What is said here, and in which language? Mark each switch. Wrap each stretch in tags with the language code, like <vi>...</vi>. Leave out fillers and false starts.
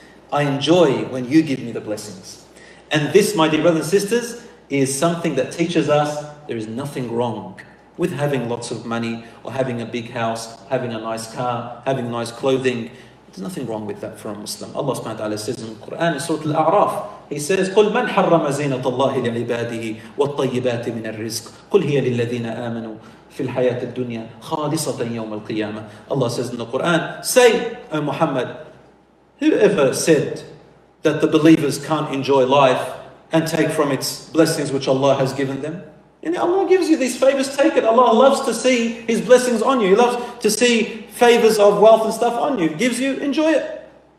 <en>I enjoy when you give me the blessings. And this, my dear brothers and sisters, is something that teaches us there is nothing wrong with having lots of money or having a big house, having a nice car, having nice clothing. There's nothing wrong with that for a Muslim. Allah subhanahu wa ta'ala says in the Quran, in Surah Al-A'raf, He says,</en> <ar>قُلْ مَنْ حَرَّمَ زِينَةَ اللَّهِ لِعِبَادِهِ وَالطَّيِّبَاتِ مِنَ الرِّزْقِ قُلْ هِيَ لِلَّذِينَ آمَنُوا فِي الْحَيَاةِ الدُّنْيَا خَالِصَةً يَوْمَ الْقِيَامَةِ.</ar> <en>Allah says in the Quran, say, O Muhammad, whoever said that the believers can't enjoy life and take from its blessings which Allah has given them? And Allah gives you these favors, take it. Allah loves to see His blessings on you. He loves to see favors of wealth and stuff on you. He gives you, enjoy it.</en>